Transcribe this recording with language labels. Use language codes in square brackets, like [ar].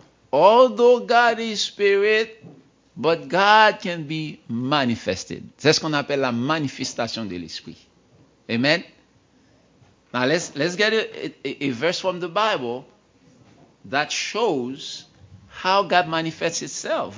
[en] Although God is spirit, but God can be manifested. [fr] C'est ce qu'on appelle la manifestation de l'esprit. [en] Amen. Now let's get a verse from the Bible that shows how God manifests itself.